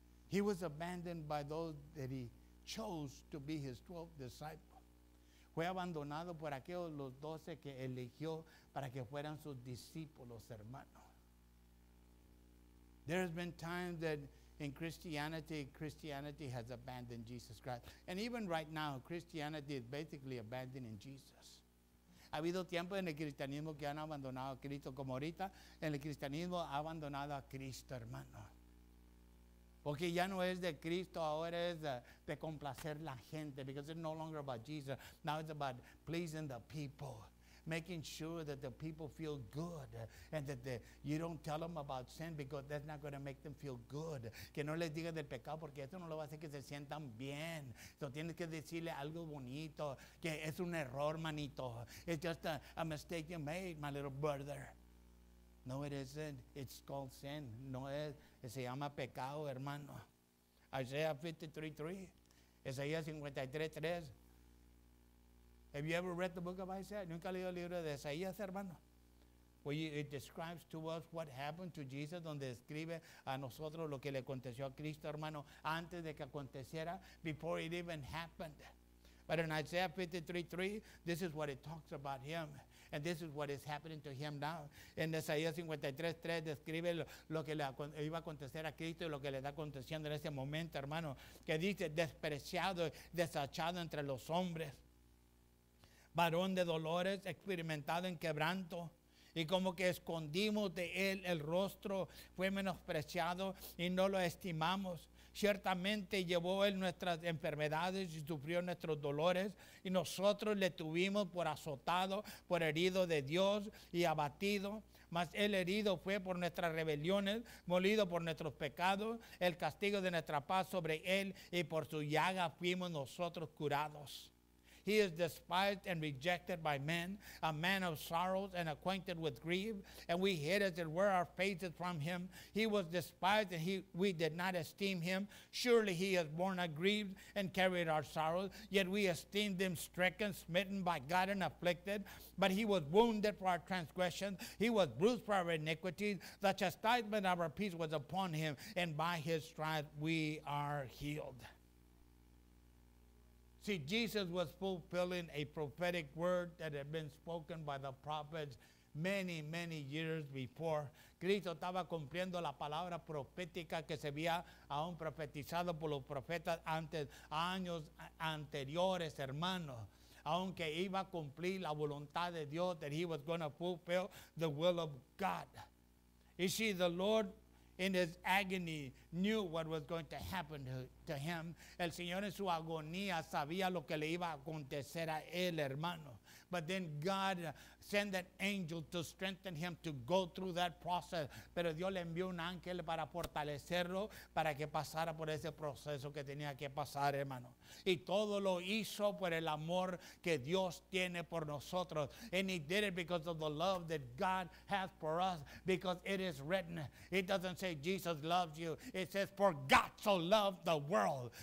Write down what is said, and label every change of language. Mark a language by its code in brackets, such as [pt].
[en] He was abandoned by those that he chose to be his 12 disciples. [es] Fue abandonado por aquellos los 12 que eligió para que fueran sus discípulos, hermano. [en] There has been times that in Christianity has abandoned Jesus Christ. And even right now, Christianity is basically abandoning Jesus. [es] Ha habido tiempos en el cristianismo que han abandonado a Cristo, como ahorita en el cristianismo ha abandonado a Cristo, hermano. Porque ya no es de Cristo, ahora es de complacer la gente. [en] Because it's no longer about Jesus. Now it's about pleasing the people. Making sure that the people feel good. And that you don't tell them about sin because that's not going to make them feel good. [es] Que no les digas del pecado porque eso no lo va a hacer que se sientan bien. So tienes que decirle algo bonito. Que es un error, manito. [en] It's just a mistake you made, my little brother. No, it isn't. It's called sin. [es] No es. Se llama pecado, hermano. [en] Isaiah 53:3. Isaiah 53:3. Have you ever read the book of Isaiah? [es] ¿Nunca leído el libro de Isaías, hermano? [en] Well, it describes to us what happened to Jesus, [es] donde describe a nosotros lo que le aconteció a Cristo, hermano, antes de que aconteciera, [en] before it even happened. But in Isaiah 53:3, this is what it talks about him, and this is what is happening to him now. [es] En Isaías 53:3 describe lo que le iba a acontecer a Cristo y lo que le está aconteciendo en ese momento, hermano, que dice, despreciado, desechado entre los hombres. Varón de dolores, experimentado en quebranto, y como que escondimos de él el rostro, fue menospreciado y no lo estimamos. Ciertamente llevó él nuestras enfermedades y sufrió nuestros dolores, y nosotros le tuvimos por azotado, por herido de Dios y abatido. Mas el herido fue por nuestras rebeliones, molido por nuestros pecados, el castigo de nuestra paz sobre él, y por su llaga fuimos nosotros curados. [en] He is despised and rejected by men, a man of sorrows and acquainted with grief, and we hid as it were our faces from him. He was despised and we did not esteem him. Surely he has borne our griefs and carried our sorrows, yet we esteemed him stricken, smitten by God and afflicted. But he was wounded for our transgressions, he was bruised for our iniquities. The chastisement of our peace was upon him, and by his stripes we are healed. See, Jesus was fulfilling a prophetic word that had been spoken by the prophets many, many years before. [es] Cristo estaba cumpliendo la palabra profética que se había aún profetizado por los profetas antes, años anteriores, hermanos. Aunque iba a cumplir la voluntad de Dios, [en] that he was going to fulfill the will of God. You see, the Lord in his agony knew what was going to happen to him. [es] El Señor en su agonía sabía lo que le iba a acontecer a él, hermano. [en] But then God sent an angel to strengthen him to go through that process. [es] Pero Dios le envió un ángel para fortalecerlo, para que pasara por ese proceso que tenía que pasar, hermano. Y todo lo hizo por el amor que Dios tiene por nosotros. [en] And he did it because of the love that God has for us, because it is written. It doesn't say Jesus loves you. It says, for God so loved the world.